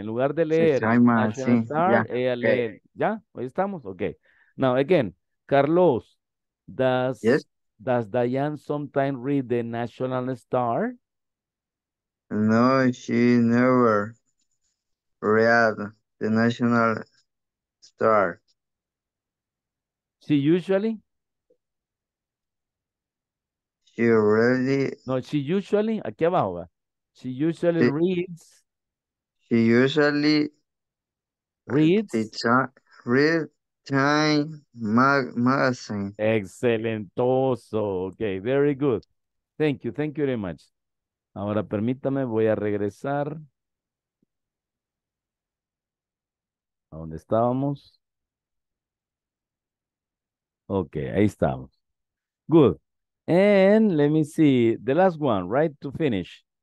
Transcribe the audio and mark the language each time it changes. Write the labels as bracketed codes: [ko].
[es] En lugar de leer National Star, ella lee. ¿Ya? ¿Ahí estamos? Ok. [en] Now, again, Carlos, does Diane sometimes read the National Star? No, she never read the National Star. She usually? She really... No, she usually... [es] Aquí abajo, ¿verdad? [en] She usually reads. She usually reads. Read Time Magazine. Excelentoso. Okay, very good. Thank you very much. [es] Ahora permítame, voy a regresar a donde estábamos. Okay, ahí estamos. Good. [en] And let me see the last one, right to finish.